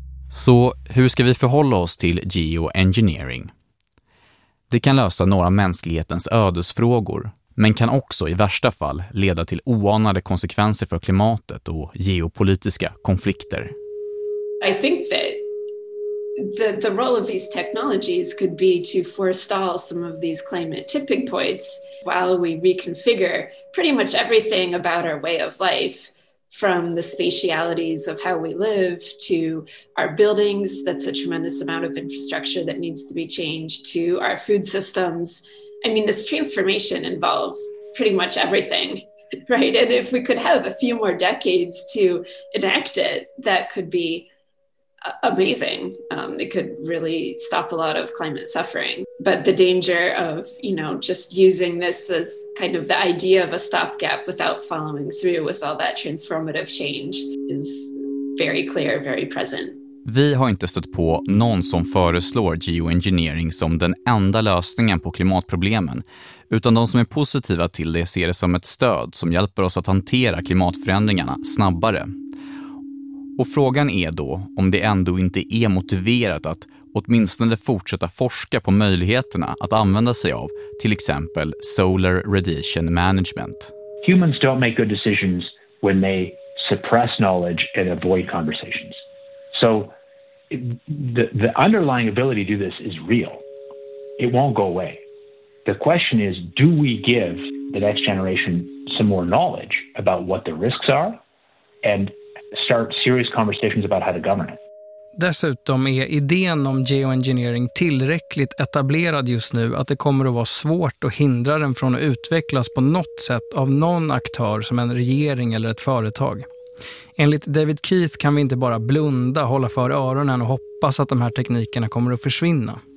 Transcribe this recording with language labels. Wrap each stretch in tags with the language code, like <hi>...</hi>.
<sv>Så hur ska vi förhålla oss till geoengineering? Det kan lösa några mänsklighetens ödesfrågor, men kan också i värsta fall leda till oanade konsekvenser för klimatet och geopolitiska konflikter.</sv> <en>I think that the role of these technologies could be to forestall some of these climate tipping points while we reconfigure pretty much everything about our way of life, from the spatialities of how we live to our buildings, that's a tremendous amount of infrastructure that needs to be changed, to our food systems. I mean, this transformation involves pretty much everything, right? And if we could have a few more decades to enact it, that could be amazing. It could really stop a lot of climate suffering. But the danger of, you know, just using this as kind of the idea of a stopgap without following through with all that transformative change is very clear, very present.</en> <sv>Vi har inte stött på någon som föreslår geoengineering som den enda lösningen på klimatproblemen, utan de som är positiva till det ser det som ett stöd som hjälper oss att hantera klimatförändringarna snabbare. Och frågan är då om det ändå inte är motiverat att åtminstone fortsätta forska på möjligheterna att använda sig av till exempel solar radiation management.</sv> <en>Humans don't make good decisions when they suppress knowledge and avoid conversations. So the underlying ability to do this is real. It won't go away. The question is, do we give the next generation some more knowledge about what the risks are and start serious conversations about how to govern it?</en> <sv>Dessutom är idén om geoengineering tillräckligt etablerad just nu att det kommer att vara svårt att hindra den från att utvecklas på något sätt av någon aktör som en regering eller ett företag. Enligt David Keith kan vi inte bara blunda, hålla för öronen och hoppas att de här teknikerna kommer att försvinna.</sv>